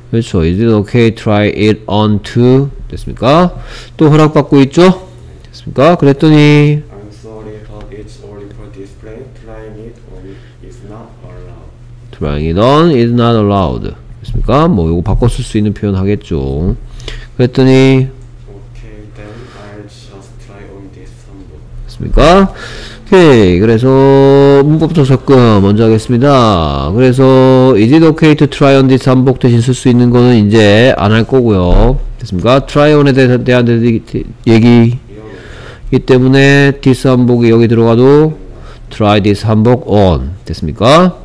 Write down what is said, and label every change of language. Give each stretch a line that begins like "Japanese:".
Korean: 그렇죠.
English: Is it okay to try it on too?
Korean: 됐습니까? 또 허락받고 있죠? 됐습니까? 그랬더니
English: I'm sorry, but it's only for display. Trying it on is not allowed. Trying it on is not allowed.
Korean: 됐습니까? 뭐 이거 바꿔 쓸 수 있는 표현 하겠죠. 그랬더니
English: Okay, then I'll just try on this one.
Korean: 됐습니까? 오케이. 그래서 문법적 접근 먼저 하겠습니다. 그래서
English: is it okay to try on this
Korean: 한복 대신 쓸 수 있는 거는 이제 안 할 거고요. 됐습니까? try on에 대한 얘기 이 때문에 this 한복이 여기 들어가도
English: try this 한복 on
Korean: 됐습니까?